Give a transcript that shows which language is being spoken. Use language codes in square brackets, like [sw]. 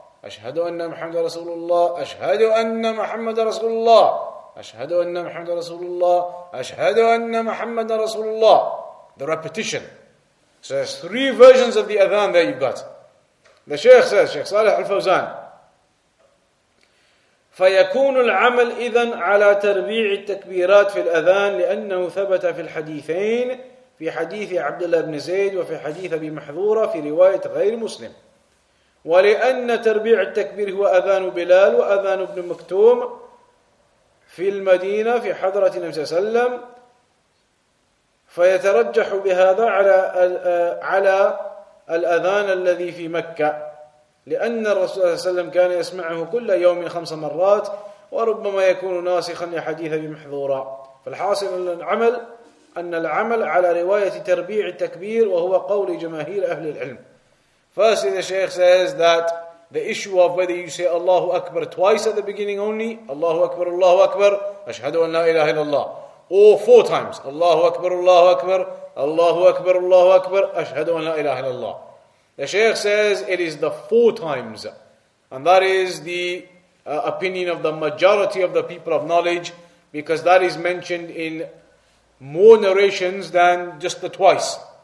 [ar] أشهد أن محمد رسول الله أشهد أن محمد رسول الله أشهد أن محمد رسول الله أشهد أن محمد رسول الله. [en] The repetition. So there's three versions of the adhan that you've got. The Shaykh says, Shaykh Salih Al-Fawzan, [ar] فيكون العمل إذن على تربيع التكبيرات في الأذان لأنه ثبت في الحديثين في حديث عبد الله بن زيد وفي حديث أبي محذورة في رواية غير مسلم. ولأن تربيع التكبير هو أذان بلال وأذان ابن مكتوم في المدينة في حضرة النبي صلى الله عليه وسلم فيترجح بهذا على الأذان الذي في مكة لأن الرسول صلى الله عليه وسلم كان يسمعه كل يوم خمس مرات وربما يكون ناسخا لحديث أبي محذورة. فالحاصل أن العمل على رواية تربيع التكبير وهو قول جماهير أهل العلم. [en] Firstly, the Shaykh says that the issue of whether you say Allahu Akbar twice at the beginning only, Allahu Akbar, Allahu Akbar, Ashhadu an la ilaha illallah, or four times, Allahu Akbar, Allahu Akbar, Allahu Akbar, Allahu Akbar, Ashhadu an la ilaha illallah. The Shaykh says it is the four times, and that is the opinion of the majority of the people of knowledge, because that is mentioned in more narrations than just the twice.